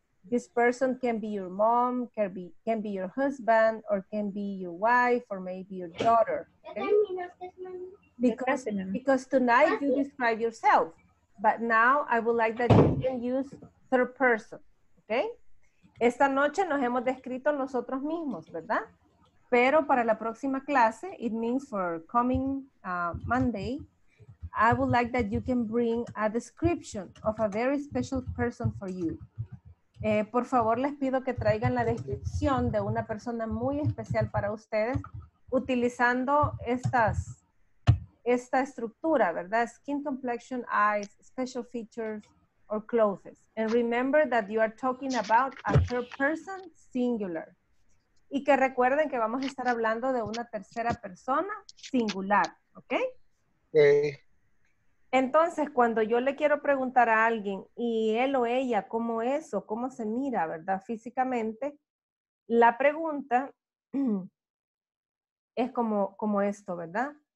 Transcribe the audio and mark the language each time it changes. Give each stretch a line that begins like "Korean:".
English: This person can be your mom, can be your husband, or can be your wife, or maybe your daughter. Okay? Because tonight you describe yourself, but now I would like that you can use third person, okay?
Spanish: Esta noche nos hemos descrito nosotros mismos, ¿verdad? Pero para la próxima clase,
English: it means for coming Monday, I would like that you can bring a description of a very special person for you.
Spanish: Por favor, les pido que traigan la descripción de una persona muy especial para ustedes utilizando esta estructura, ¿verdad?
English: Skin complexion, eyes, special features, or clothes. And remember that you are talking about a third person singular.
Spanish: Y que recuerden que vamos a estar hablando de una tercera persona singular, ¿ok? Sí. Entonces, cuando yo le quiero preguntar a alguien y él o ella cómo es o cómo se mira, ¿verdad? Físicamente, la pregunta es como esto, ¿verdad?